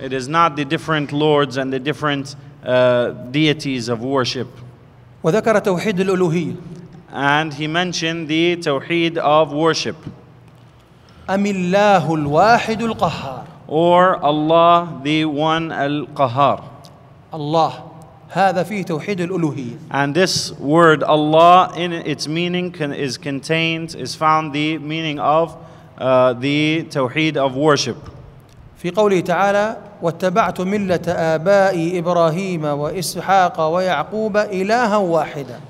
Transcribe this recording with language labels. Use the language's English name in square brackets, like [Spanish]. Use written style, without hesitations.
[English] It is not the different lords and the different deities of worship. [Arabic] وذكر توحيد الألوهية. [English] And he mentioned the توحيد of worship. [Arabic] أم الله الواحد القهار. [English] Or Allah the one القهار. [Arabic] الله هذا في توحيد الألوهية. [English] And this word Allah in its meaning is found the meaning of the توحيد of worship. [Arabic] في قوله تعالى واتبعت ملة آبائي إبراهيم وإسحاق ويعقوب إلها واحدا.